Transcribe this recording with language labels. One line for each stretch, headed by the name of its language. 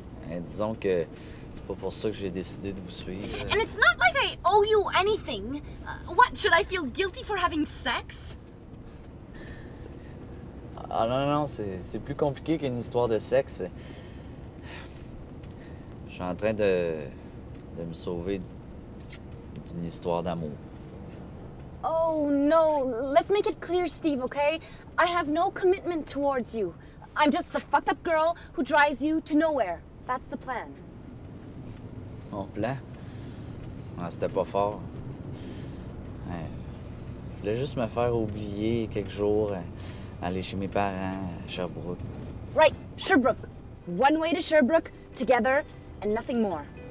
French: Et disons que c'est pas pour ça que j'ai décidé de vous suivre.
English: And it's not like I owe you anything. What, should I feel guilty for having sex?
French: Ah non, non, c'est plus compliqué qu'une histoire de sexe. Je suis en train de me sauver. Une histoire d'amour.
English: Oh no, let's make it clear, Steve, okay? I have no commitment towards you. I'm just the fucked up girl who drives you to nowhere. That's the plan.
French: Mon plan? Ah, c'était pas fort. Ouais. Je voulais juste me faire oublier quelques jours, aller chez mes parents à Sherbrooke.
English: Right, Sherbrooke. One way to Sherbrooke, together, and nothing more.